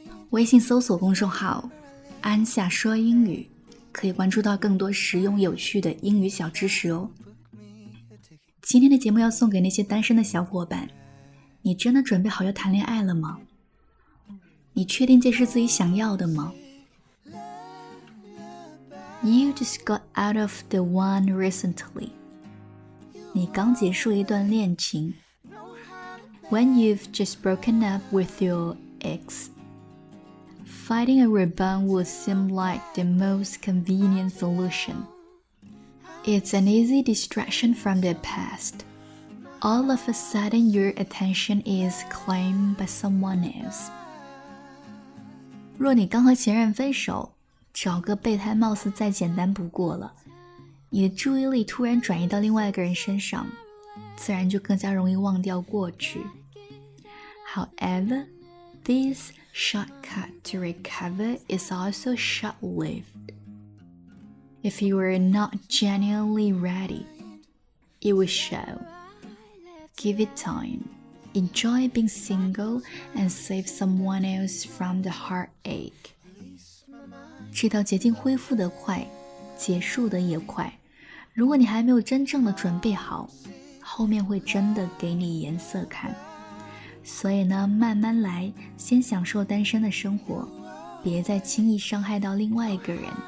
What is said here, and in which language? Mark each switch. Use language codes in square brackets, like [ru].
[zh] 微信搜索公众号安夏说英语，可以关注到更多实用有趣的英语小知识哦。今天的节目要送给那些单身的小伙伴，你真的准备好要谈恋爱了吗？你确定这是自己想要的吗？ [en] You just got out of the one recently. [zh] 你刚结束一段恋情。 [en] When you've just broken up with your ex, fighting a rebound would seem like the most convenient solution. It's an easy distraction from the past. All of a sudden, your attention is claimed by someone else. [zh] 若你刚和前任分手，找个备胎貌似再简单不过了。你的注意力突然转移到另外一个人身上，自然就更加容易忘掉过去。 [en] However, this shortcut to recover is also short-lived. If you are not genuinely ready, it will show. Give it time. Enjoy being single and save someone else from the heartache. [zh] 这条捷径恢复得快，结束得也快。如果你还没有真正的准备好，后面会真的给你颜色看。所以呢，慢慢来，先享受单身的生活，别再轻易伤害到另外一个人。